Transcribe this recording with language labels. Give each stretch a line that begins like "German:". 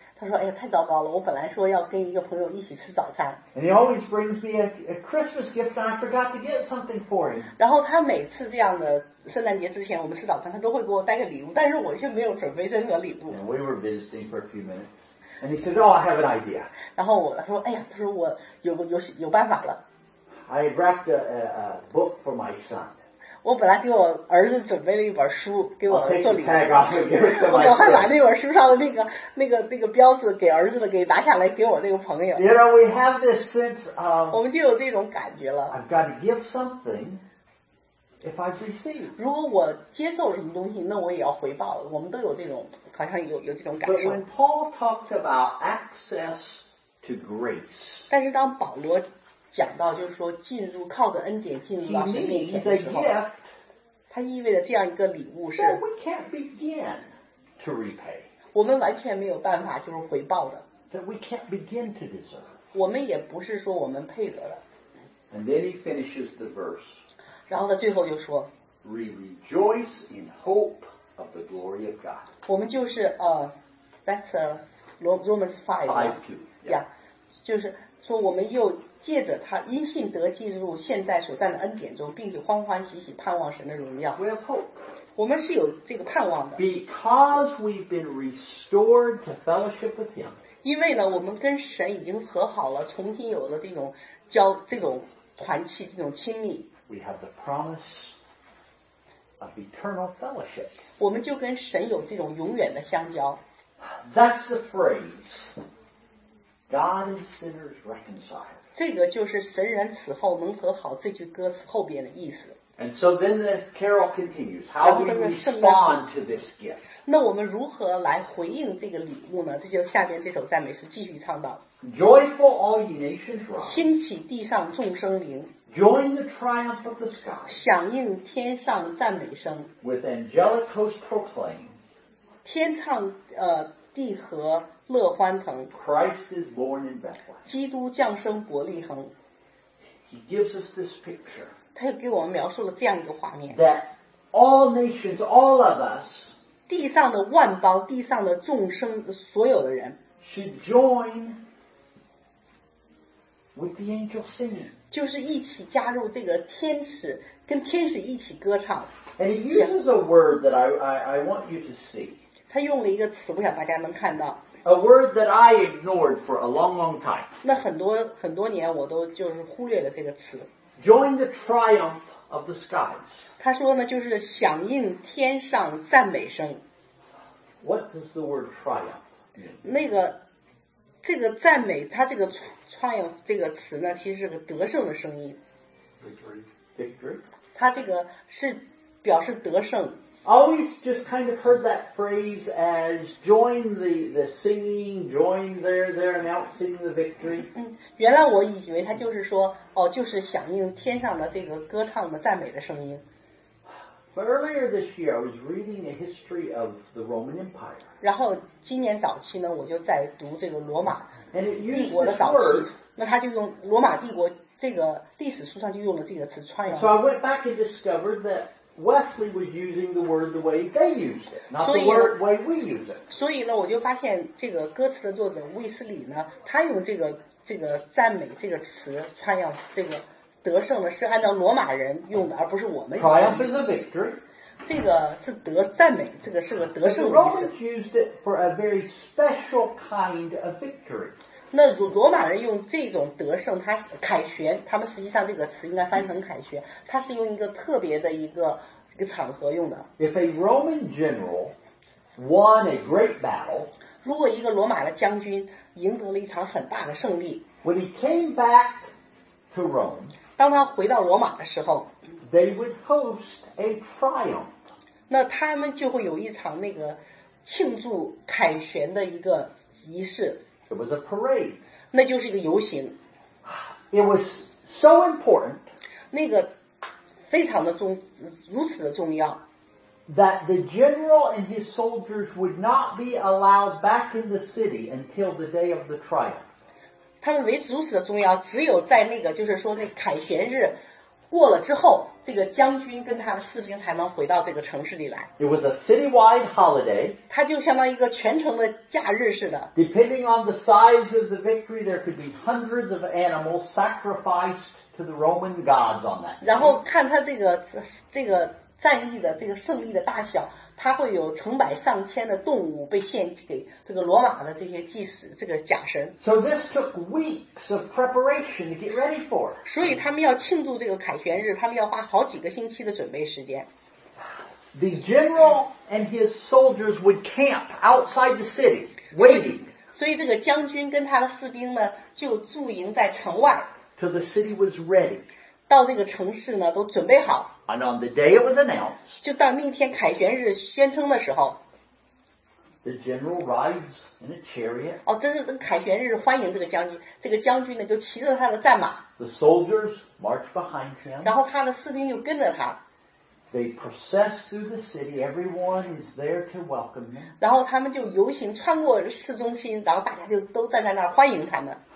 Chinese: 他说，哎呀，太糟糕了。我本来说要跟一个朋友一起吃早餐。
English: And he always brings me a Christmas gift, and I forgot to get something for him.
Chinese: 然后他每次这样的圣诞节之前，我们吃早餐，他都会给我带个礼物，但是我却没有准备任何礼物。
English: And we were visiting for a few minutes, and he said, Oh, I have an idea.
Chinese: 然后我说，哎呀，他说我有办法了。
English: I wrapped a book for my son.
Chinese: 我本来给我儿子准备了一本书，给我儿子做礼物。
English: Okay, tag off,
Chinese: 我赶快把那本书上的那个标志给儿子的给拿下来，给我那个朋友。
English: You know, we have this sense of,
Chinese: 我们就有这种感觉了。
English: I've got to give something if I've received.
Chinese: 如果我接受什么东西，那我也要回报。我们都有这种，好像有这种感受。
English: But when Paul talks about access to grace,
Chinese: 但是当保罗讲到就是说进入靠着恩典进入到神面前的时候它意味着这样一个礼物是
English: that we can't begin to repay
Chinese: 我们完全没有办法就是回报的
English: that we can't begin to deserve
Chinese: 我们也不是说我们配得的
English: and then he finishes the verse
Chinese: 然后他最后就说
English: we rejoice in hope of the glory of God
Chinese: 我们就是
English: that's Romans 5
Chinese: 就是说我们又借着他因信得进入现在所在的恩典中并且欢欢喜喜盼望神的荣耀
English: We have hope.
Chinese: 我们是有这个盼望的
English: Because we've been restored to fellowship with him
Chinese: 因为呢我们跟神已经和好了重新有了这种交这种团契这种亲密。
English: We have the promise of eternal fellowship.
Chinese: 我们就跟神有这种永远的相交。
English: That's the phrase, God and sinners reconciled.
Chinese: 这个就是神人此后能和好这句歌词后边的意思。
English: And so then the carol continues, how we respond to this gift.
Chinese: 那我们如何来回应这个礼物呢？这就下边这首赞美诗继续唱到。
English: Joyful all ye nations rise.
Chinese: 兴起地上众生灵。
English: Join the triumph of the sky.
Chinese: 响应天上赞美声。
English: With angelic hosts proclaim.
Chinese: 天唱地和乐欢腾。
English: Christ is born in Bethlehem.
Chinese: 基督降生伯利恒。
English: He gives us this picture.
Chinese: 他又给我们描述了这样一个画面。
English: That all nations, all of us.
Chinese: 地上的万邦，地上的众生，所有的人。
English: Should join with the angel singing.
Chinese: 就是一起加入这个天使，跟天使一起歌唱。
English: And he uses a word that I want you to see.
Chinese: 他用了一个词，我想大家能看到。
English: A word that I ignored for a long, long time.
Chinese: 那很多年我都就是忽略了这个词。
English: Join the triumph of the skies.
Chinese: 他说呢，就是响应天上赞美声。
English: What does the word triumph mean?
Chinese: 那个这个赞美，它这个 triumph 这个词呢，其实是个得胜的声音。
English: Victory.
Chinese: 它这个是表示得胜。
English: Always just kind of heard that phrase as join the singing, join their announcing the victory.
Chinese: 原来我以为他就是说哦，就是响应天上的这个歌唱的赞美的声音。
English: But earlier this year, I was reading a history of the Roman Empire.
Chinese: 然后今年早期呢，我就在读这个罗马帝国的早期。那他就用罗马帝国这个历史书上就用了这个词 triumph.
English: So I went back and discovered that. Wesley was using the word the way they used it, not the way we use it.
Chinese: 所以呢，我就发现这个歌词的作者卫斯理呢，他用这个赞美这个词 triumph 这个得胜呢，是按照罗马人用的，而不是我们。
English: Triumph is a victory.
Chinese: 这个是得赞美，这个是个得胜的意思。
English: The Romans used it for a very special kind of victory.
Chinese: 那罗马人用这种得胜，他凯旋，他们实际上这个词应该翻成凯旋，他是用一个特别的一个场合用的。
English: If a Roman general won a great battle,
Chinese: 如果一个罗马的将军赢得了一场很大的胜利
English: ，When he came back to Rome,
Chinese: 当他回到罗马的时候
English: ，They would host a triumph.
Chinese: 那他们就会有一场那个庆祝凯旋的一个仪式。
English: It was a parade.
Chinese: 那就是一个游行。
English: It was so important.
Chinese: 那个非常的重，如此的重要。
English: That the general and his soldiers would not be allowed back in the city until the day of the triumph.
Chinese: 他们为此如此的重要，只有在那个就是说那凯旋日过了之后，这个将军跟他的士兵才能回到这个城市里来。
English: It was a citywide holiday.
Chinese: 它就相当于一个全城的假日似的。
English: Depending on the size of the victory, there could be hundreds of animals sacrificed to the Roman gods on that.
Chinese: 然后看他这个战役的这个胜利的大小，他会有成百上千的动物被献给这个罗马的这些祭司这个假神。
English: So this took weeks of preparation to get ready for.
Chinese: 所以他们要庆祝这个凯旋日，他们要花好几个星期的准备时间。
English: The general and his soldiers would camp outside the city, waiting.
Chinese: 所以这个将军跟他的士兵呢，就驻营在城外。
English: Till the city was ready.
Chinese: 到这个城市呢，都准备好。
English: And on the day it was announced,
Chinese: 就到那天凯旋日宣称的时候
English: ，the general rides in a chariot.
Chinese: 哦，这是凯旋日欢迎这个将军，这个将军呢就骑着他的战马。
English: The soldiers march behind him.
Chinese: 然后他的士兵就跟着他。
English: They process through the city. Everyone is there to welcome them.
Chinese: 然后他们就游行穿过市中心，然后大家就都站在那儿欢迎他们。